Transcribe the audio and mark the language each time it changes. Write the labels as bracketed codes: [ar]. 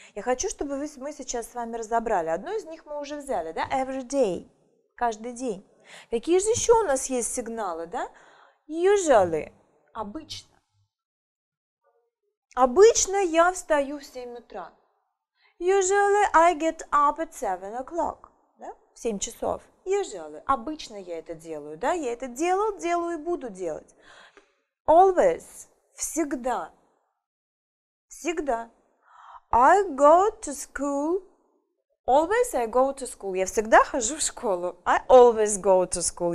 [ru] Я хочу, чтобы мы сейчас с вами разобрали. Одно из них мы уже взяли, да, [en] every day, [ru] каждый день. Какие же еще у нас есть сигналы, да? Usually, обычно. Обычно я встаю в 7 утра. [en] Usually I get up at 7 o'clock. [ru] Да? В 7 часов. Usually. Обычно я это делаю. Да? Я это делал, делаю и буду делать. Always. Всегда. Всегда. [en] I go to school. Always I go to school. [ru] Я всегда хожу в школу. [en] I always go to school.